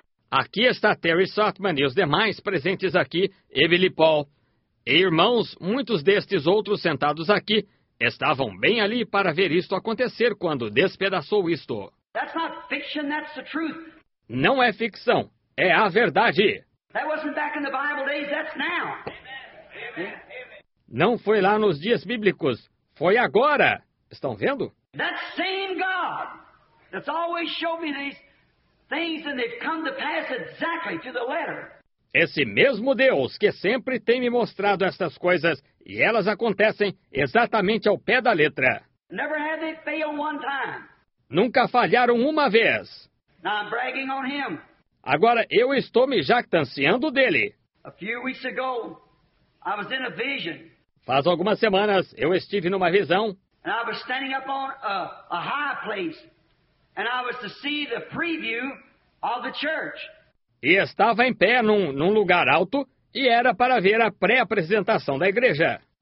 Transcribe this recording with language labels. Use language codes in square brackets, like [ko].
[pt] Aqui está Terry Sotman e os demais presentes aqui, e Billy Paul. E irmãos, muitos destes outros sentados aqui, estavam bem ali para ver isto acontecer quando despedaçou isto. [en] That's not fiction, that's the truth. [pt] Não é ficção, é a verdade. [en] That wasn't back in the Bible days, that's now. [pt] Não foi lá nos dias bíblicos, foi agora. Estão vendo? [en] That same God that's always showed me these things and they've come to pass exactly to the letter. [pt] Esse mesmo Deus que sempre tem me mostrado estas coisas e elas acontecem exatamente ao pé da letra. [en] Never have they failed one time. [pt] Nunca falharam uma vez. [en] Now I'm bragging on him. [pt] Agora eu estou me jactanciando dele. [en] A few weeks ago, I was in a vision. [pt] Faz algumas semanas eu estive numa visão. [en] And I was standing up on a high place and I was to see the preview of the church. [pt] E estava em pé num lugar alto e era para ver a pré-apresentação da igreja.